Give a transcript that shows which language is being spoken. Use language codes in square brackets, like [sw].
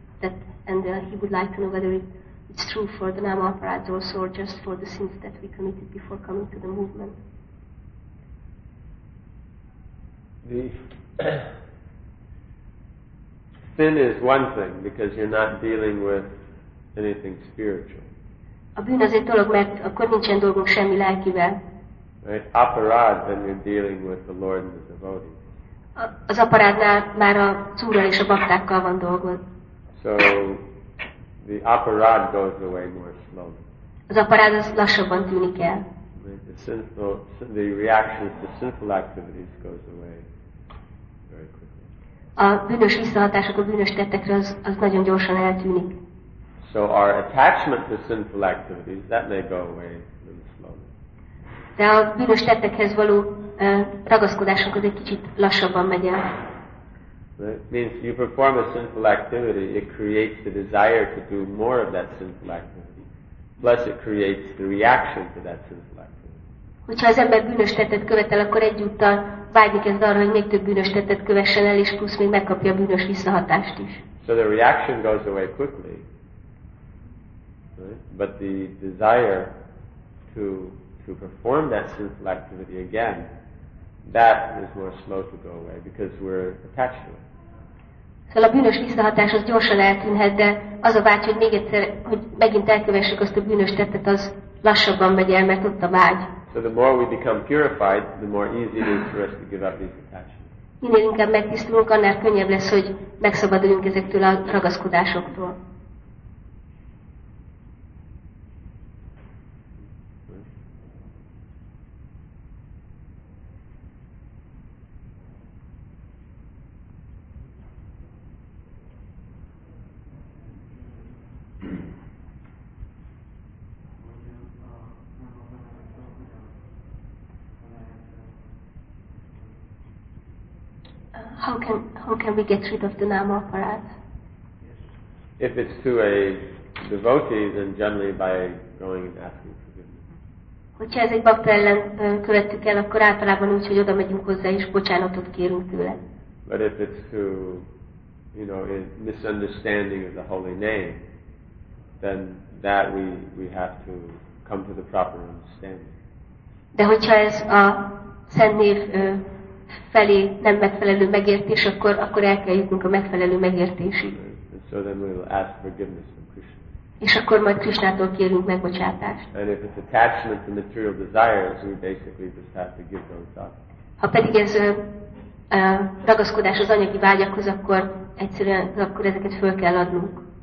[en] He would like to know whether it's true for the Nama Aparads also, or just for the sins that we committed before coming to the movement. The sin is one thing, because you're not dealing with anything spiritual. [hu] A bűn az egy dolog, mert akkor nincsen dolgunk semmi lelkivel. [en] Right, aparád, then you're dealing with the Lord and the devotee. [hu] Az aparádnál már a cúrral és a baktákkal van dolgod. [en] So the aparád goes away more slowly. [hu] Az aparád az lassabban tűnik el. [en] Right, the reactions to sinful activities goes away very quickly. [hu] A bűnös visszahatások a bűnös tettekre az nagyon gyorsan eltűnik. [en] So our attachment to sinful activities, that may go away a little slowly. [hu] De a bűnös tettekhez való ragaszkodásunk az egy kicsit lassabban megy el. [en] It means you perform a sinful activity, it creates the desire to do more of that sinful activity. Plus it creates the reaction to that sinful activity. [hu] Hogyha az ember bűnös tettet követel, akkor egyúttal vágni kezd arra, hogy még több bűnös tettet kövessen el, és plusz még megkapja a bűnös visszahatást is. [en] So the reaction goes away quickly. But the desire to perform that sinful activity again, that is where slow to go away, because we're attached to it. [hu] Szóval a bűnös visszahatás az gyorsan eltűnhet, de az a vágy, hogy még egyszer, hogy megint elkövessük azt a bűnös tettet, az lassabban megy el, mert ott a vágy. [en] So the more we become purified, the more easy it is for us to give up these attachments. [hu] Minél inkább megtisztulunk, annál könnyebb lesz, hogy megszabaduljunk ezektől a ragaszkodásoktól. [en] How can we get rid of the nama aparat? If it's to a devotee, then generally by going and asking forgiveness. [hu] Hogyha ez egy bakta ellen követtük el, akkor általában úgy, hogy oda megyünk hozzá és bocsánatot kérünk tőle. [en] But if it's to, you know, a misunderstanding of the holy name, then that we have to come to the proper understanding. [hu] De hogyha ez a szent név felé nem megfelelő megértés, akkor el kell jutnunk a megfelelő megértésig. [en] And so then we'll ask forgiveness from Krishna. [hu] És akkor majd Krisnától kérünk megbocsátást. [en] And if it's attachment to material desires, we basically just have to give those up. [hu] Ha pedig ez ragaszkodás az anyagi vágyakhoz, akkor egyszerűen akkor ezeket föl kell adnunk.